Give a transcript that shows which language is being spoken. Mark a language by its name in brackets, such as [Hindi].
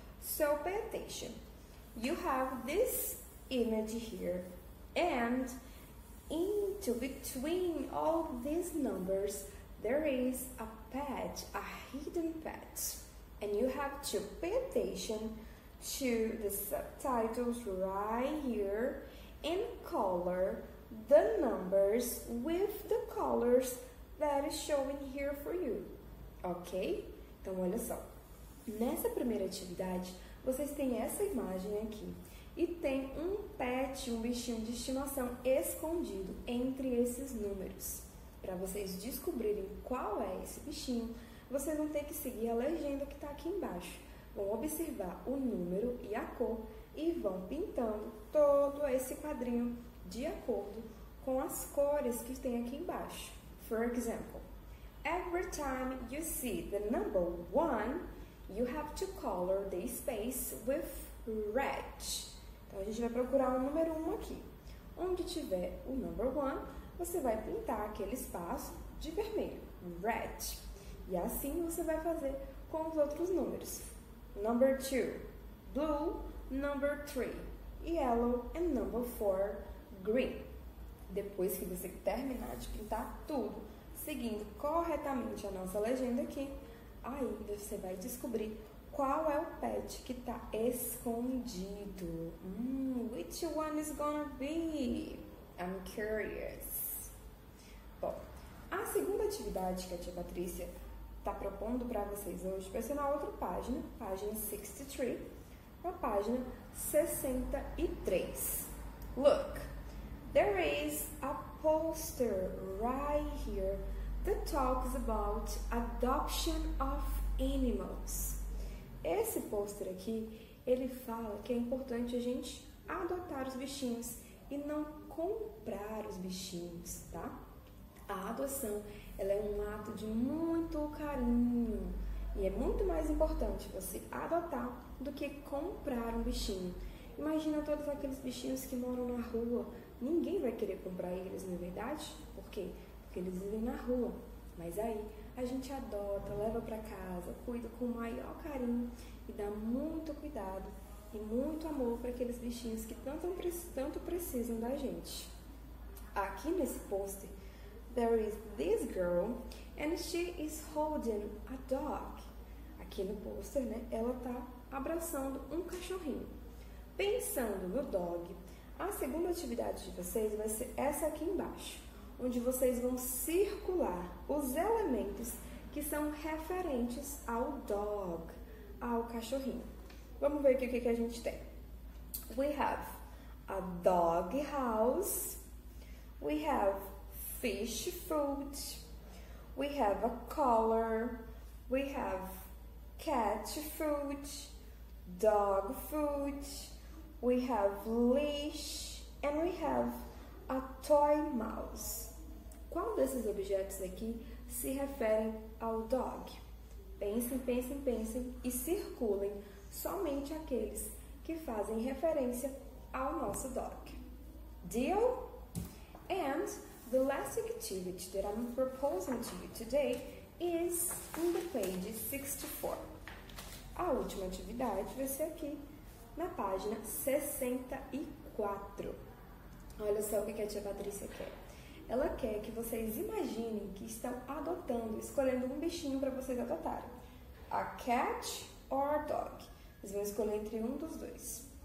[English] So pay attention. You have this image here, and into between all these numbers, there is a pet, a hidden pet. And you have to pay attention to the subtitles right here and color the numbers with the colors that is showing here for you. [Portuguese] Ok? Então, olha só. Nessa primeira atividade, vocês têm essa imagem aqui. E tem um pet, um bichinho de estimação, escondido entre esses números. Para vocês descobrirem qual é esse bichinho, vocês vão ter que seguir a legenda que está aqui embaixo. Vão observar o número e a cor e vão pintando todo esse quadrinho de acordo com as cores que tem aqui embaixo. [English] For example, every time you see the number 1, you have to color the space with red. [Portuguese] Então, a gente vai procurar o número 1 aqui. Onde tiver o number 1, você vai pintar aquele espaço de vermelho, red. E assim você vai fazer com os outros números. [English] Number 2, blue. Number 3, yellow. And number 4, green. [Portuguese] Depois que você terminar de pintar tudo, seguindo corretamente a nossa legenda aqui, aí você vai descobrir qual é o pet que está escondido. [English] Which one is gonna be? I'm curious. [Portuguese] Bom, a segunda atividade que a tia Patrícia está propondo para vocês hoje vai ser na outra página, página 63, na página 63. [English] Look, there is a poster right here that talks about adoption of animals. [Portuguese] Esse pôster aqui, ele fala que é importante a gente adotar os bichinhos e não comprar os bichinhos, tá? A adoção, ela é um ato de muito carinho. E é muito mais importante você adotar do que comprar um bichinho. Imagina todos aqueles bichinhos que moram na rua. Ninguém vai querer comprar eles, não é verdade? Por quê? Que eles vivem na rua, mas aí a gente adota, leva para casa, cuida com o maior carinho e dá muito cuidado e muito amor para aqueles bichinhos que tanto precisam da gente. Aqui nesse poster, [English] there is this girl and she is holding a dog. [Portuguese] Aqui no poster, né, ela está abraçando um cachorrinho. Pensando no dog, a segunda atividade de vocês vai ser essa aqui embaixo, onde vocês vão circular os elementos que são referentes ao dog, ao cachorrinho. Vamos ver aqui o que a gente tem. [English] We have a dog house. We have fish food. We have a collar. We have cat food, dog food. We have leash and we have a toy mouse. [Portuguese] Qual desses objetos aqui se referem ao dog? Pensem, pensem, pensem e circulem somente aqueles que fazem referência ao nosso dog. [English] Deal? And the last activity that I'm proposing to you today is in the page 64. [Portuguese] A última atividade vai ser aqui na página 64. Olha só o que a tia Patrícia quer. Ela quer que vocês imaginem que estão adotando, escolhendo um bichinho para vocês adotarem. [English] A cat or a dog. [Portuguese] Vocês vão escolher entre um dos dois.